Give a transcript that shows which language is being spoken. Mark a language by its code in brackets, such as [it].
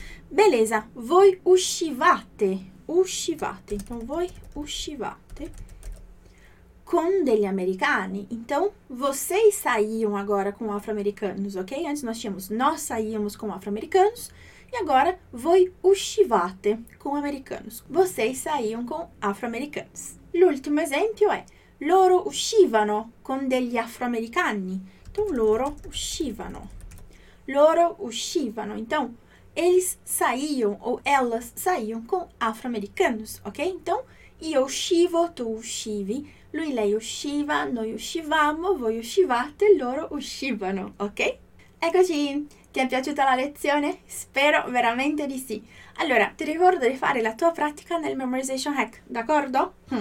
[it] Beleza, voi uscivate. Uscivate, então, voi uscivate con degli americani. [pt] Então, vocês saíam agora com afro-americanos, ok? Antes nós tínhamos, nós saíamos com afro-americanos. E agora, [it] voi uscivate [pt] com americanos. Vocês saíam com afro-americanos. [it] L'ultimo esempio è, loro uscivano con degli afro-americani. Então, loro uscivano. Loro uscivano, então... [pt] eles saíam ou elas saíam com afro-americanos, ok? [it] Então, io uscivo, tu uscivi, lui, lei usciva, noi uscivamo, voi uscivate, loro uscivano, ok? Eccoci! Ti è piaciuta la lezione? Spero veramente di sì. Allora, ti ricordo di fare la tua pratica nel Memorization Hack, d'accordo?